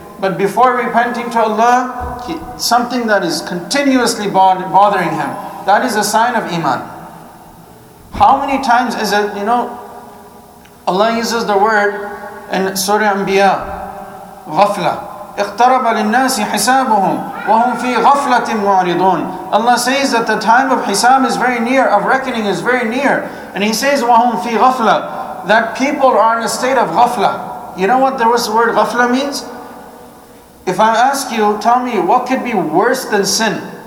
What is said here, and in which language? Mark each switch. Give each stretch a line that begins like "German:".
English: But before repenting to Allah, something that is continuously bothering him, that is a sign of iman. How many times is it, you know, Allah uses the word in Surah Anbiya, ghafla.
Arabic: اقترب للناس حسابهم وهم في غفلة معرضون.
English: Allah says that the time of hisab is very near, of reckoning is very near. And He says,
Arabic: وهم في غفلة,
English: that people are in a state of ghafla. You know what the word ghafla means? If I ask you, tell me, what could be worse than sin?